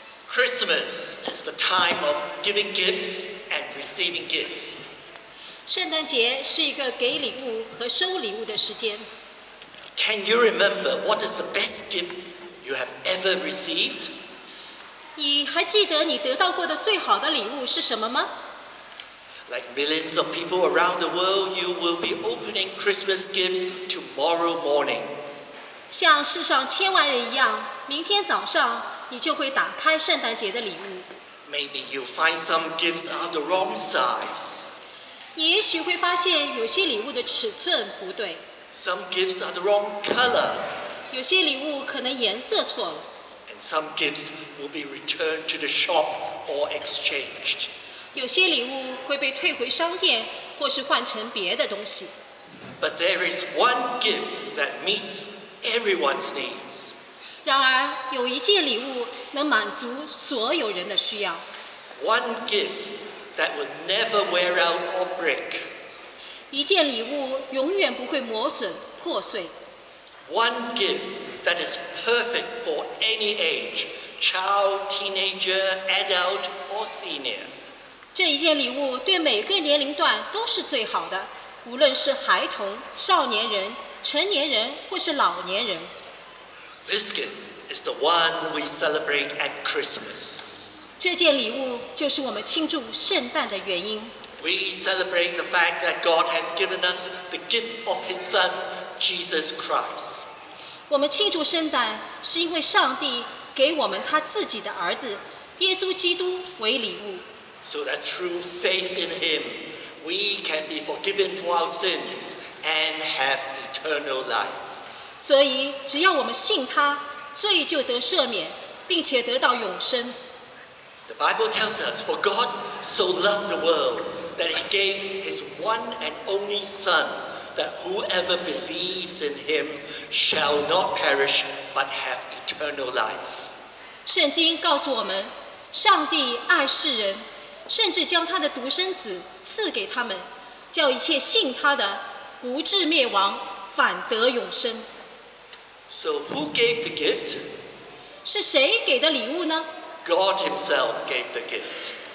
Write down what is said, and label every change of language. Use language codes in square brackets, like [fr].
[en] Christmas is the time of giving gifts and receiving gifts. [zh] 圣诞节是一个给礼物和收礼物的时间。 [en] Can you remember what is the best gift you have ever received? [zh] 你还记得你得到过的最好的礼物是什么吗？ [en] Like millions of people around the world, you will be opening Christmas gifts tomorrow morning. [zh] 像世上千万人一样，明天早上你就会打开圣诞节的礼物。 [en] Maybe you'll find some gifts are the wrong size. [zh] 你也许会发现有些礼物的尺寸不对。 [en] Some gifts are the wrong color. [zh] 有些礼物可能颜色错了。 [en] And some gifts will be returned to the shop or exchanged. [zh] 有些礼物会被退回商店或是换成别的东西。 [en] But there is one gift that meets everyone's needs. [zh] 然而有一件礼物能满足所有人的需要。 [en] One gift that will never wear out or break. [zh] 一件礼物永远不会磨损破碎。 [en] One gift that is perfect for any age, child, teenager, adult, or senior. [zh] 这一件礼物对每个年龄段都是最好的，无论是孩童、少年人、成年人或是老年人。 [en] This gift is the one we celebrate at Christmas. [zh] 这件礼物就是我们庆祝圣诞的原因。 [en] We celebrate the fact that God has given us the gift of His Son, Jesus Christ. [zh] 我们庆祝圣诞是因为上帝给我们他自己的儿子耶稣基督为礼物。 [en] So that through faith in Him, we can be forgiven for our sins and have eternal life. [zh] 所以只要我们信他，罪就得赦免，并且得到永生。 [en] The Bible tells us, for God so loved the world that He gave His one and only Son, that whoever believes in Him shall not perish but have eternal life. [zh] 圣经告诉我们，上帝爱世人，甚至将他的独生子赐给他们，叫一切信他的不至灭亡，反得永生。 [en] So who gave the gift? [zh] 是谁给的礼物呢？ [en] God Himself gave the gift.